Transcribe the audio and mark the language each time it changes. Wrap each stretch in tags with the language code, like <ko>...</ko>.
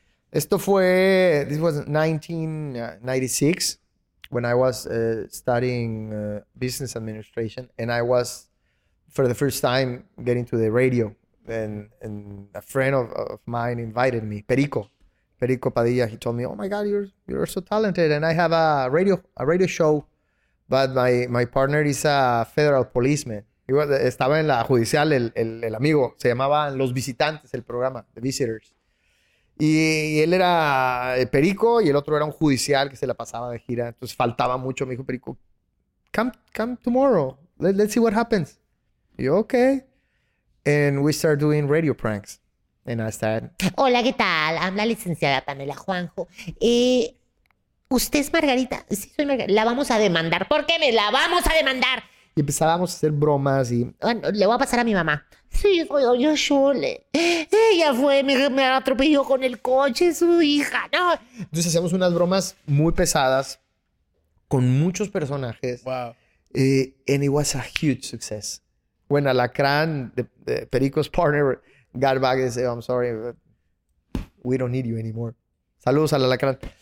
<es>Esto fue,</es> <en>this was 1996 when I was studying business administration, and I was for the first time getting to the radio, and a friend of mine invited me, Perico Padilla. He told me, oh my God, you're so talented, and I have a radio show, but my partner is a federal policeman.</en> <es>Estaba en la judicial el amigo. Se llamaban Los Visitantes, el programa, The Visitors. Y él era Perico y el otro era un judicial que se la pasaba de gira. Entonces faltaba mucho. Me dijo,</es> <en>Perico, come tomorrow. Let's see what happens.</en> <es>Y yo,</es> <en>okay. And we start doing radio pranks. And I said,</en> <es>hola, ¿qué tal?</es> <en>I'm</en> <es>la licenciada Pamela Juanjo. ¿Usted es Margarita? Sí, soy Margarita. La vamos a demandar. ¿Por qué me la vamos a demandar? Y empezábamos a hacer bromas y... Bueno, le voy a pasar a mi mamá. Sí, soy yo, Shule. Ella fue, me atropelló con el coche, su hija, ¿no? Entonces hacíamos unas bromas muy pesadas con muchos personajes.</es> <en>Wow. And it was a huge success. When Alacrán, the Perico's partner, got back and said, I'm sorry, but we don't need you anymore.</en> <es>Saludos al Alacrán.</es>